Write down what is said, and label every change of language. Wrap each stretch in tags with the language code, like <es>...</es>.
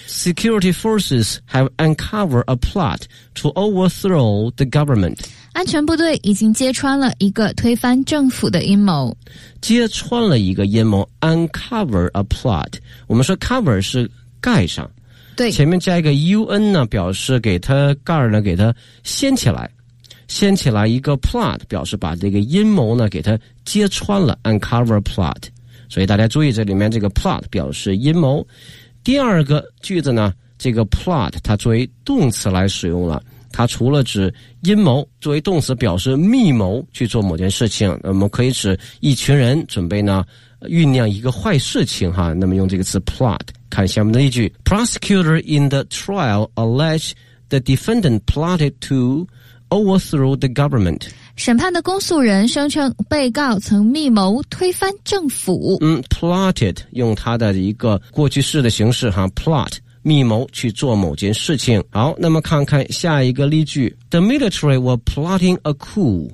<en>Security forces have uncovered a plot to overthrow the government.</en> <zh>安全部队已经揭穿了一个推翻政府的阴谋。揭穿了一个阴谋，</zh> <en>uncover a plot，</en> <zh>我们说 cover 是盖上，对，前面加一个 un 呢，表示给它盖呢，给它掀起来，掀起来一个 plot， 表示把这个阴谋呢给它揭穿了，</zh> <en>uncover plot。</en> <zh>所以大家注意这里面这个 plot 表示阴谋。第二个句子呢，这个 plot 它作为动词来使用了，它除了指阴谋，作为动词表示密谋去做某件事情，我们可以指一群人准备呢酝酿一个坏事情哈。那么用这个词 plot。看下面的一句。</zh> <en>Prosecutor in the trial alleged the defendant plotted toOverthrow the government.</en> <zh>审判的公诉人声称被告曾密谋推翻政府。 Plotted 用它的一个过去式的形式哈 ，plot 密谋去做某件事情。好，那么看看下一个例句。</zh> <en>The military were plotting a coup.</en>